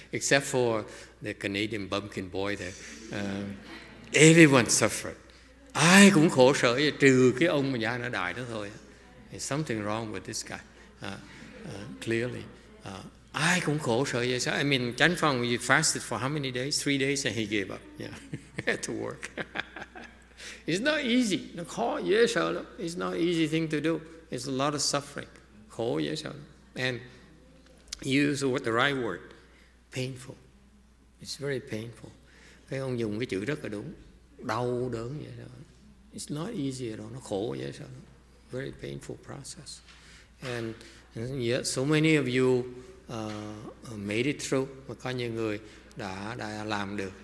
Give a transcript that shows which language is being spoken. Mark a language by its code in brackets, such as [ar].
[en] Except for the Canadian bumpkin boy there, everyone suffered. [vi] Ai cũng khổ sở vậy, trừ cái ông mà da nó đại đó thôi. [en] There's something wrong with this guy. [vi] Clearly, ai cũng khổ sở vậy. [en] I mean, Chan Phong, you fasted for how many days? 3 days, and he gave up. Yeah, to work. It's not easy. [vi] Nó khó dễ sợ lắm. [en] It's not an easy thing to do. It's a lot of suffering. [vi] Khổ dễ sợ lắm. [en] And use the right word. Painful. It's very painful. [vi] Cái ông dùng cái chữ rất là đúng. Đau đớn dễ sợ. [en] It's not easy at all. [vi] Nó khổ dễ sợ lắm. [en] Very painful process. And yet so many of you made it through. [vi] Mà có nhiều người đã làm được.